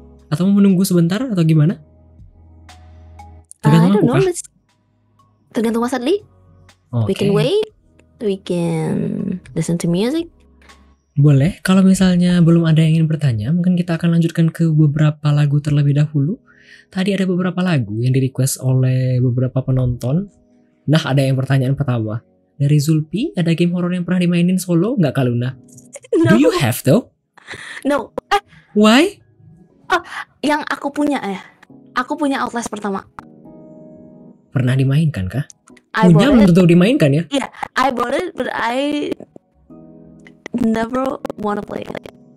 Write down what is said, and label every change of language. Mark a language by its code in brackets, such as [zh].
[id] Atau mau menunggu sebentar atau gimana? Tergantung aku kah? Tergantung Mas Adli. [en] Okay. We can wait, we can listen to music. [id] Boleh, kalau misalnya belum ada yang ingin bertanya, mungkin kita akan lanjutkan ke beberapa lagu terlebih dahulu. Tadi ada beberapa lagu yang di-request oleh beberapa penonton. Nah, ada yang pertanyaan pertama. Dari Zulpi, ada game horror yang pernah dimainin solo? Nggak, Kak Luna? [en] No. Do you have, though? No. Why? [id] Oh, yang aku punya, ya. Aku punya Outlast pertama. Pernah dimainkan, kah? Punya, belum tentu dimainkan, ya? [en] Yeah, I bought it, but I never wanna play it.